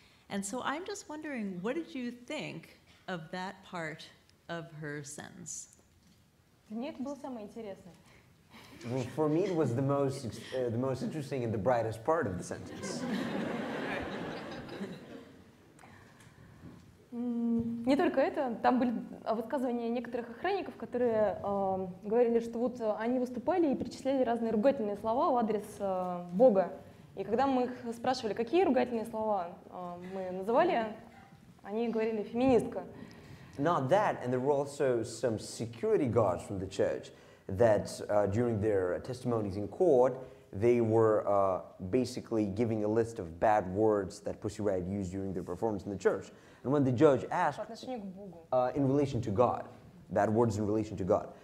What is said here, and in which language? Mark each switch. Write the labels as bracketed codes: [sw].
[en] And so I'm just wondering, what did you think of that part of her sentence? Well, for me, it was the most interesting and the brightest part of the sentence. [ru] Не только это, там были высказывания некоторых охранников, которые говорили, что вот они выступали и перечисляли разные ругательные слова в адрес Бога. И когда мы их спрашивали, какие ругательные слова мы называли, они говорили феминистка. [en] Not that, and there were also some security guards from the church that during their testimonies in court, they were basically giving a list of bad words that Pussy Riot used during their performance in the church. And when the judge asked, in relation to God, bad words in relation to God.